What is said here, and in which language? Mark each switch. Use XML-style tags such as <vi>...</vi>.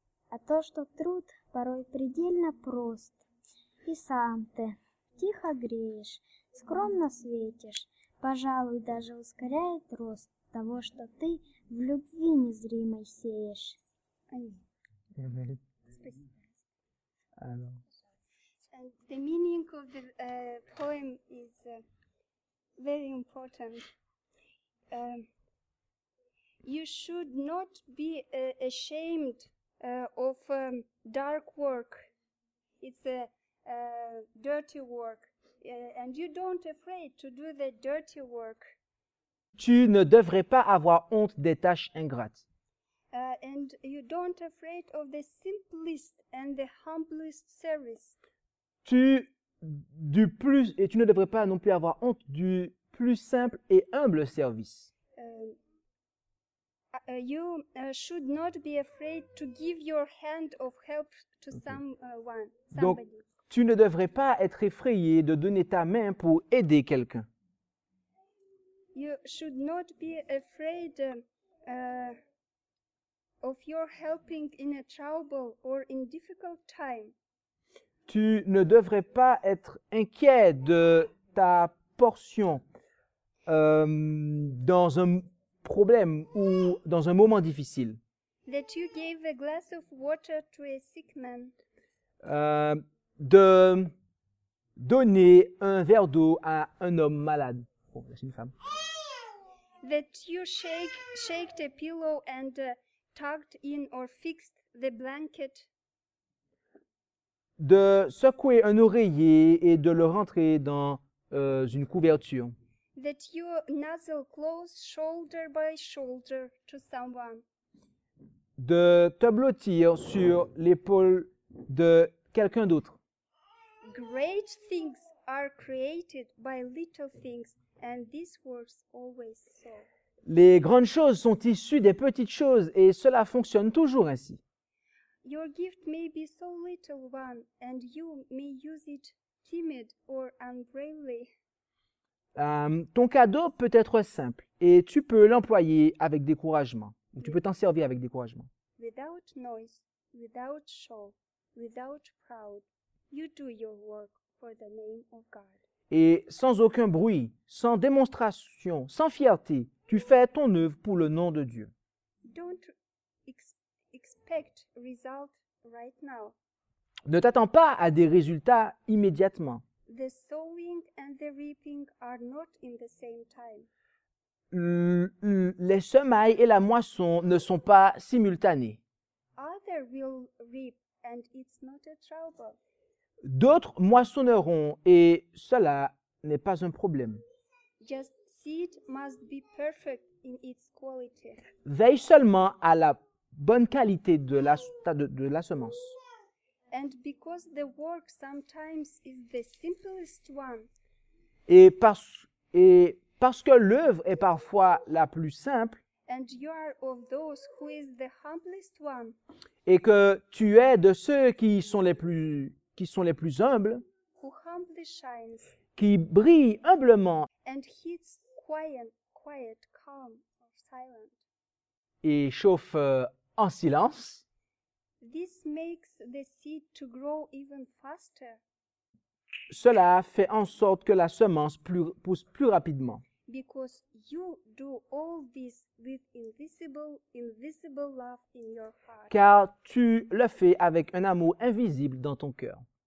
<ru>А то, что труд порой предельно прост, и сам ты тихо греешь, скромно светишь, пожалуй, даже ускоряет рост того, что ты в любви незримой сеешь. Спасибо.</ru> <en>And the meaning of the poem is very important. You should not be ashamed of dark work. It's a dirty work. And you don't afraid to do the dirty work.</en> <fr>Tu ne devrais pas avoir honte des tâches ingrates.</fr> <en>And you don't afraid of the simplest and the humblest service.</en> <fr>Tu ne devrais pas non plus avoir honte du plus simple et humble service.</fr> <en>You should not be afraid to give your hand of help to someone.</en> <fr>Donc, tu ne devrais pas être effrayé de donner ta main pour aider quelqu'un.</fr> <en>You should not be afraid of your helping in a trouble or in difficult time.</en> <fr>Tu ne devrais pas être inquiet de ta portion dans un problème ou dans un moment difficile.</fr> <en>That you gave a glass of water to a sick man.</en> <fr>De donner un verre d'eau à un homme malade. Oh, c'est une femme.</fr> <en>That you shake the pillow and tucked in or fixed the blanket.</en> <fr>De secouer un oreiller et de le rentrer dans une couverture.</fr> <en>That you nuzzle close shoulder by shoulder to someone.</en> <fr>De te blottir sur l'épaule de quelqu'un d'autre.</fr> <en>Great things are created by little things, and this works always so.</en> <fr>Les grandes choses sont issues des petites choses et cela fonctionne toujours ainsi.</fr> <en>Your gift may be so little one, and you may use it timid or unbravely.</en> <fr>Ton cadeau peut être simple, et tu peux l'employer avec découragement. Tu peux t'en servir avec découragement.</fr> <en>Without noise, without show, without proud, you do your work for the name of God.</en> <fr>Et sans aucun bruit, sans démonstration, sans fierté, tu fais ton œuvre pour le nom de Dieu.</fr> <en>Don't expect result right now.</en> <fr>Ne t'attends pas à des résultats immédiatement.</fr> <en>The sowing and the reaping are not in the same time.</en> <fr>Les semailles et la moisson ne sont pas simultanées.</fr> <en>Others will reap and it's not a trouble.</en> <fr>D'autres moissonneront et cela n'est pas un problème.</fr> <en>Just seed must be perfect in its quality.</en> <fr>Veille seulement à la bonne qualité de la semence.</fr> <en>And because the work sometimes is the simplest one.</en> <fr>Et parce que l'œuvre est parfois la plus simple.</fr> <en>And you are of those who is the humblest one.</en> <fr>Et que tu es de ceux qui sont les plus humbles.</fr> <en>Who humbly shines.</en> <fr>Qui brillent humblement.</fr> <en>And hits quiet, calm, or silent.</en> <fr>Et chauffe en silence.</fr> <en>This makes the seed to grow even faster.</en> <fr>Cela fait en sorte que la semence pousse plus rapidement.</fr> <en>Because you do all this with invisible love in your heart.</en> <fr>Car tu le fais avec un amour invisible dans ton cœur.</fr>